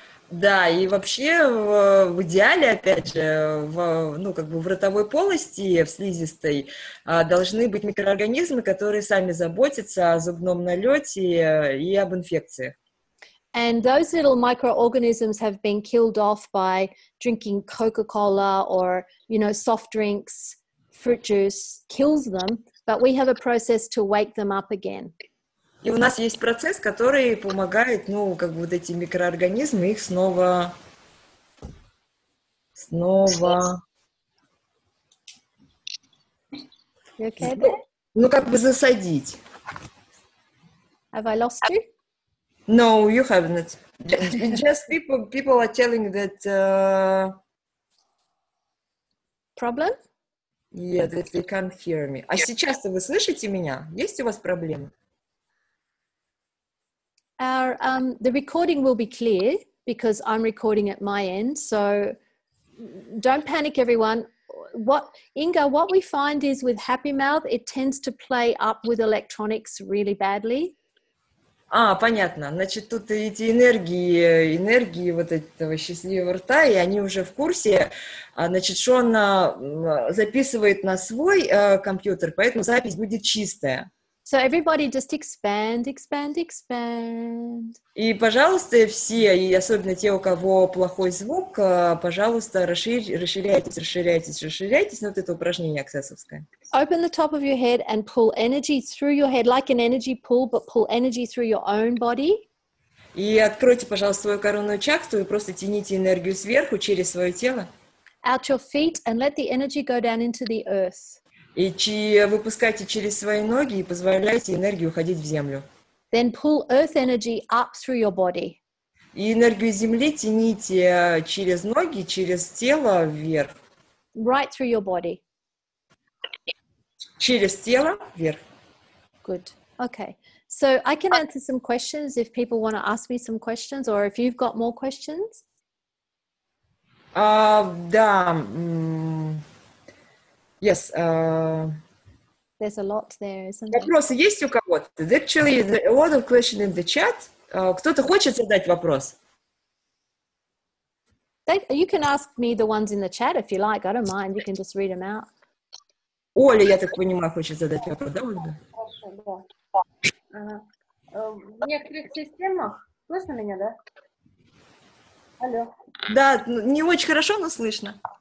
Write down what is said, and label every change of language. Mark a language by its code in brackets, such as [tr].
[ru] Да, и вообще в идеале, опять же, в, ну, как бы в ротовой полости, в слизистой, должны быть микроорганизмы, которые сами заботятся о зубном налете и об инфекциях. [en] And those little microorganisms have been killed off by drinking Coca-Cola or, you know, soft drinks, fruit juice kills them, but we have a process to wake them up again. [ru] И у нас есть процесс, который помогает, ну, как бы вот эти микроорганизмы, их снова, снова... [en] You okay there? [ru] Ну, как бы засадить. [en] Have I lost you? No, you haven't. Just people are telling that... Problem? Yeah, that they can't hear me. [ru] А сейчас-то вы слышите меня? Есть у вас проблемы? [en] Our the recording will be clear because I'm recording at my end, so don't panic, everyone. What Inga, what we find is with Happy Mouth, it tends to play up with electronics really badly. [ru] А, понятно. Значит, тут эти энергии вот этого счастливого рта, и они уже в курсе. Значит, Шон записывает на свой компьютер, поэтому запись будет чистая. [en] So everybody just expand. [ru] И, пожалуйста, все, и особенно те, у кого плохой звук, пожалуйста, расширяйтесь. Ну, вот это упражнение аксессовское. [en] Open the top of your head and pull energy through your head, like an energy pull, but pull energy through your own body. [ru] И откройте, пожалуйста, свою коронную чакру и просто тяните энергию сверху через свое тело. [en] Out your feet and let the energy go down into the earth. [ru] И выпускайте через свои ноги и позволяйте энергии уходить в землю. [en] Then pull earth energy up through your body. [ru] И энергию земли тяните через ноги, через тело вверх. [en] Right through your body. [ru] Через тело вверх. [en] Good. Okay. So I can answer some questions if people want to ask me some questions or if you've got more questions. [ru] Да. [en] Yes. There's a lot there, isn't there? [ru] Вопросы есть у кого-то? [en] There's actually a lot of questions in the chat. [ru] Кто-то хочет задать вопрос? [en] You can ask me the ones in the chat if you like. I don't mind. You can just read them out. [ru] Оля, я так понимаю, хочет задать вопрос, да? Хорошо, да. В некоторых системах слышно меня, да? Алло. Да, не очень хорошо, но слышно.